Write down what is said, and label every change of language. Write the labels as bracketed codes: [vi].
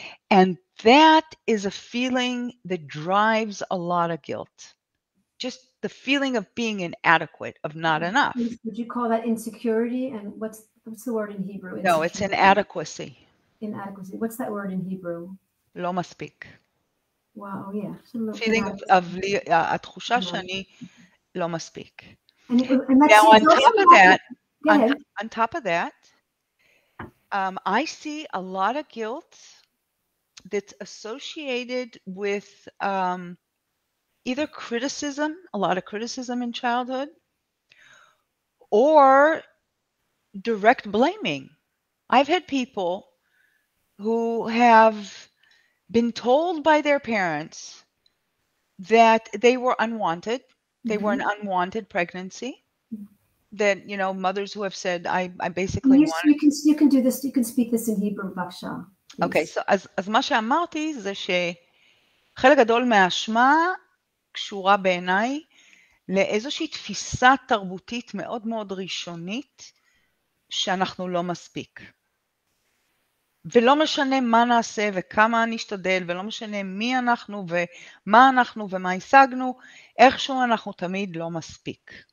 [en] And that is a feeling that drives a lot of guilt. Just the feeling of being inadequate, of not enough. Would you call that insecurity? And what's the word in Hebrew? Insecurity? No, it's inadequacy. Inadequacy. What's that word in Hebrew? [he] Lo maspik. [en] Wow, yeah. Feeling of [he] התחושה שאני לא מספיק. [en] Now, on top of that, I see a lot of guilt that's associated with either criticism, a lot of criticism in childhood, or direct blaming. I've had people who have been told by their parents that they were unwanted, they were an unwanted pregnancy, that, you know, mothers who have said, I basically want... You can do this, you can speak this in Hebrew, Baksha. [he] אוקיי, אז מה שאמרתי זה שחלק גדול מהאשמה קשורה בעיניי לאיזושהי תפיסה תרבותית מאוד מאוד ראשונית שאנחנו לא מספיק. ולא משנה מה נעשה וכמה נשתדל, ולא משנה מי אנחנו ומה אנחנו ומה השגנו, איכשהו אנחנו תמיד לא מספיק.